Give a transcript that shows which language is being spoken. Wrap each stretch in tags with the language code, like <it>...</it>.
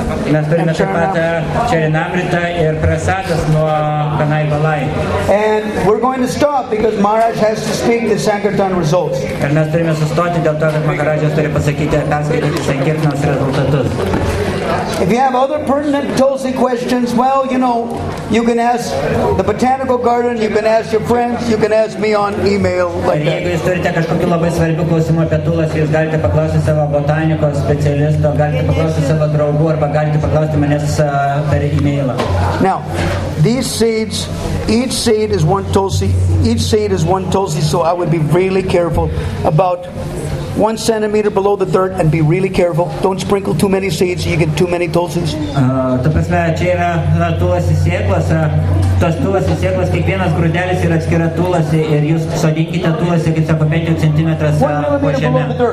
<lt>Mes turime taip pat Čerinamritą ir prasadas nuo Kanai Balai.</lt> <en>And we're going to stop because Maharaj has to speak the Sankirtan results.</en> <lt>Ir mes turime sustoti dėl to, kad Maharajas turi pasakyti ir perskaityti Sankirtanos rezultatus.</lt> <en>If you have other pertinent Tulsi questions, well, you know, you can ask the botanical garden, you can ask your friends, you can ask me on email.</en> <lt>Jeigu jūs turite kažkokių labai svarbių klausimų apie Tulsi, jūs galite paklausti savo botanikos specialisto, galite paklausti savo draugų, arba galite paklausti manęs per e-mailą.</lt> <en>Now, these seeds, each seed is one Tulsi, so I would be really careful about 1 centimeter below the dirt and be really careful. Don't sprinkle too many seeds, you get too many tulsis.</en> <lt>Ta prasme, čia yra tulsi sėklas. Tos tulsi sėklas, kiekvienas grūdelis yra atskira tulsi ir jūs sodinkite tulsi, kaip sako, 5 centimetras po žemę.</lt>